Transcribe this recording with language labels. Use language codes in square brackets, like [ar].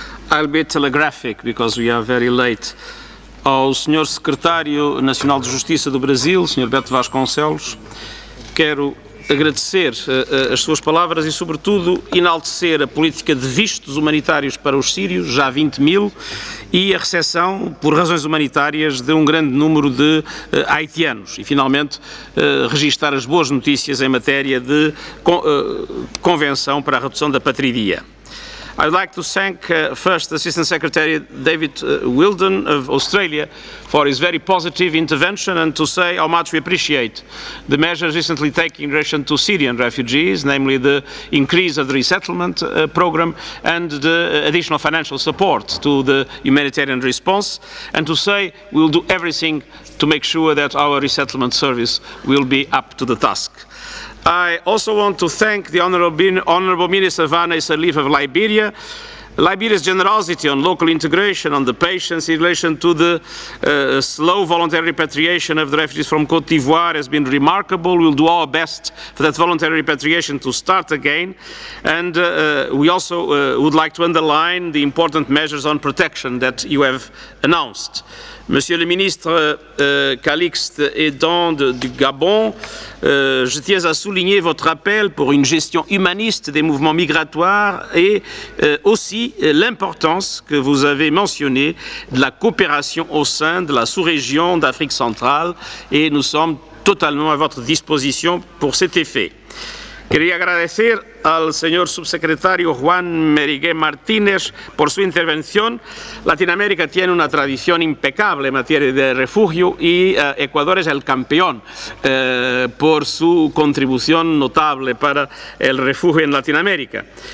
[en] I'll be telegraphic because we are very late. [pt] Ao Sr. Secretário Nacional de Justiça do Brasil, Sr. Beto Vasconcelos, quero agradecer as suas palavras e, sobretudo, enaltecer a política de vistos humanitários para os sírios, já 20 mil, e a recepção, por razões humanitárias, de um grande número de haitianos. E, finalmente, registar as boas notícias em matéria de convenção para a redução da patridia. [en] I'd like to thank first Assistant Secretary David Wilden of Australia for his very positive intervention and to say how much we appreciate the measures recently taken in relation to Syrian refugees, namely the increase of the resettlement program and the additional financial support to the humanitarian response, and to say we'll do everything to make sure that our resettlement service will be up to the task. I also want to thank the Honourable Minister Vanna Sirleaf of Liberia. Liberia's generosity on local integration, on the patience in relation to the slow voluntary repatriation of the refugees from Cote d'Ivoire has been remarkable. We'll do our best for that voluntary repatriation to start again. And we also would like to underline the important measures on protection that you have announced. [fr] Monsieur le ministre Calixte Edan du Gabon, je tiens à souligner votre appel pour une gestion humaniste des mouvements migratoires et aussi l'importance que vous avez mentionnée de la coopération au sein de la sous-région d'Afrique centrale et nous sommes totalement à votre disposition pour cet effet. [es] Quería agradecer al señor subsecretario Juan Merigué Martínez por su intervención. Latinoamérica tiene una tradición impecable en materia de refugio y Ecuador es el campeón por su contribución notable para el refugio en Latinoamérica.